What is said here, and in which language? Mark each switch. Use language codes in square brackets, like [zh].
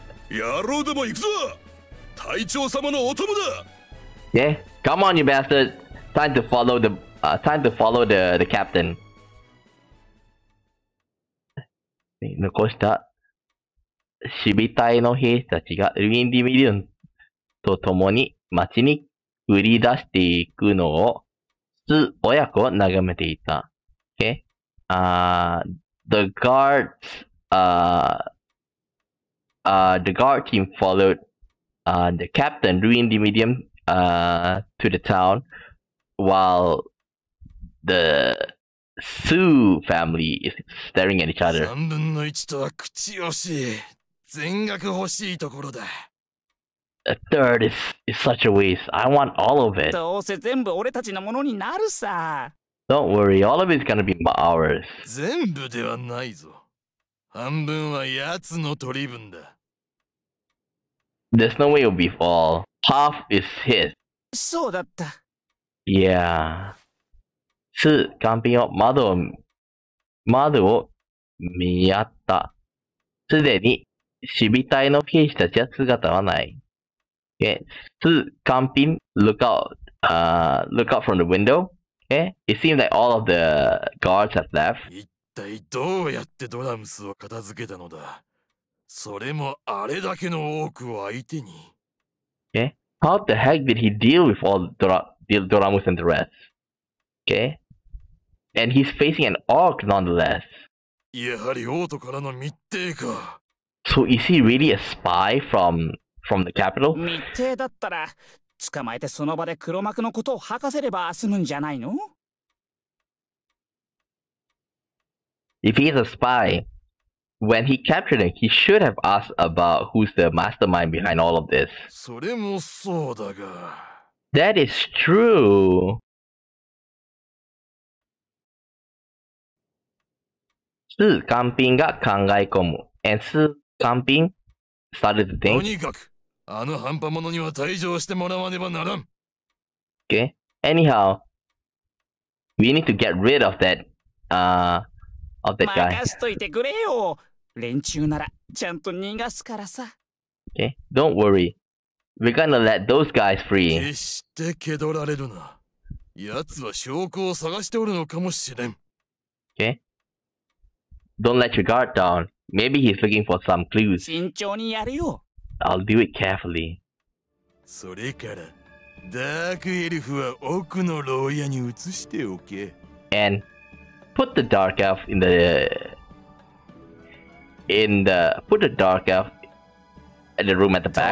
[ja] 野郎ども行くぞ、隊長様のお供だ。 [en] Yeah, come on you bastard. Time to follow the、time to follow the captain. [ja] 残した守備隊の兵士たちがウィンディミリオンと共に町に繰り出していくのを父親子を眺めていた。 [en] Okay, the guard team followed the captain ruined the medium to the town, while the Sioux family is staring at each other. [ja] 三分の一とは口惜しい、全額欲しいところだ。 [en] A third is such a waste. I want all of it. [ja] どうせ全部俺たちのものになるさ。 [en] Don't worry, all of it's gonna be ours. [ja] 全部ではないぞ、半分は奴の取り分だ。 [en] There's no way it'll be all. Half is his. [ja] そうだった。 [en] Yeah. [ja] スー、カンピンを窓を見合った。すでに守備隊の兵士たちは姿はない。 [en] Okay. スー、カンピン、look out from the window. Okay. It seems like all of the guards have left. [ja] 一体どうやってドラムスを片付けたのだ、それもあれだけの多くを相手に。え、okay. [en] How the heck did he deal with all the Doramus and the rest? Okay? And he's facing an orc nonetheless. [ja] やはり王都からの密偵か。 [en] So is he really a spy from the capital? [ja] 密偵だったら捕まえてその場で黒幕のことを吐かせれば済むんじゃないの？ [en] If he's a spy, when he captured him, he should have asked about who's the mastermind behind all of this. [ja] それもそうだが。 [en] That is true. [ja] スー・カンピンが考え込む。 [en] And スー・カンピン started to think. [ja] とにかく、あの半端者には退場してもらわねばならん。 [en] Okay. Anyhow, we need to get rid of that, of that guy. [ja] 任せといてくれよ、連中ならちゃんと逃がすからさ。 [en] Okay, don't worry. We're gonna let those guys free. [ja] 決して蹴取られるな。やつは証拠を探しておるのかもしれん。 [en] Okay, don't let your guard down. Maybe he's looking for some clues. [ja] 慎重にやるよ。 [en] I'll do it carefully. [ja] それからダークエルフは奥の牢屋に移しておけ。 [en] AndPut the dark elf in the room at the back.